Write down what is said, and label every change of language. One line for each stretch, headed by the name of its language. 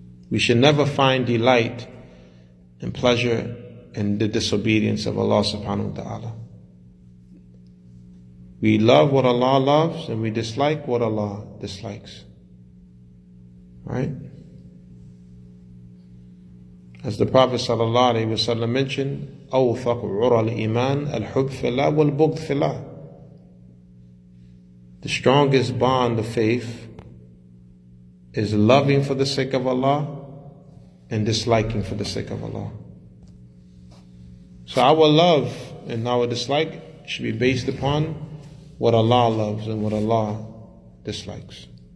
English: We should never find delight and pleasure in the disobedience of Allah subhanahu wa ta'ala. We love what Allah loves and we dislike what Allah dislikes. Right? As the Prophet sallallahu alayhi wa sallam mentioned,
Arabic: أوثق عرى الإيمان الحب في الله والبغض في الله.
English: The strongest bond of faith is loving for the sake of Allah and disliking for the sake of Allah. So our love and our dislike should be based upon what Allah loves and what Allah dislikes.